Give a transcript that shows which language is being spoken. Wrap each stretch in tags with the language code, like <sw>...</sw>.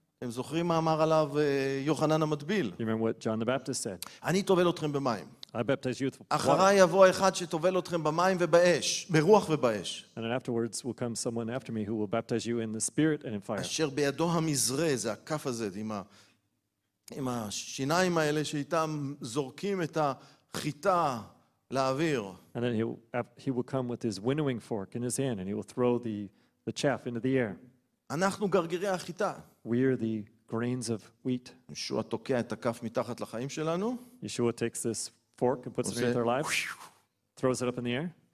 <he>הם זוכרים מה אמר עליו יוחנן המטביל.</he> <en>You remember what John the Baptist said.</en> <he>אני טובל אתכם במים.</he> <en>I baptize you with water.</en> <he>אחריי יבוא אחד שטובל אתכם במים ובאש, ברוח ובאש.</he> <en>And then afterwards will come someone after me who will baptize you in the spirit and in fire.</en> <he>אשר בידו המזרה, זה הכף הזה, עם השיניים האלה שאיתם זורקים את החיטה. להעביר.</he> <en>And then he will come with his winnowing fork in his hand and he will throw the chaff into the air.</en> <he>אנחנו גרגירי החיטה.</he> <en>We are the grains of wheat.</en> <he>ישוע תוקע את הכף מתחת לחיים שלנו.</he> <en>Yeshua takes this fork and puts it underneath their lives, throws it up in the air.</en>